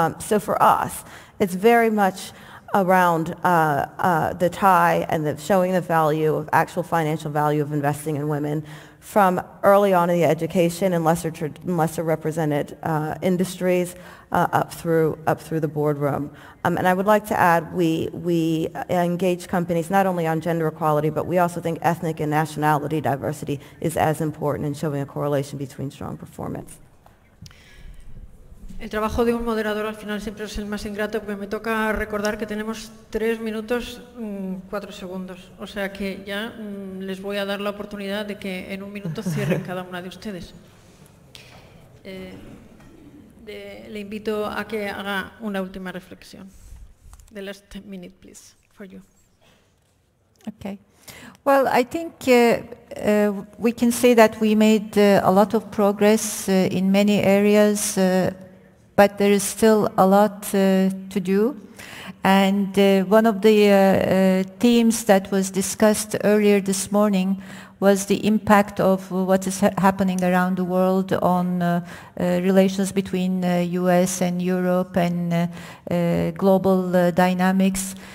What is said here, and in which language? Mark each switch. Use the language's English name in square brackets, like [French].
[English] So for us, it's very much around the tie and the showing the value of actual financial value of investing in women from early on in the education and lesser represented industries up through the boardroom. And I would like to add, we engage companies not only on gender equality, but we also think ethnic and nationality diversity is as important in showing a correlation between strong performance. [Spanish] El trabajo de un moderador al final siempre es el más ingrato, porque me toca recordar que tenemos 3 minutos, 4 segundos. O sea que ya les voy a dar la oportunidad de que en un minuto cierren cada una de ustedes. Le invito a que haga una última reflexión. [English] The last 10 minutes, please, for you. Okay. Well, I think we can say that we made a lot of progress in many areas, but there is still a lot to do. And one of the themes that was discussed earlier this morning was the impact of what is happening around the world on relations between US and Europe and global dynamics.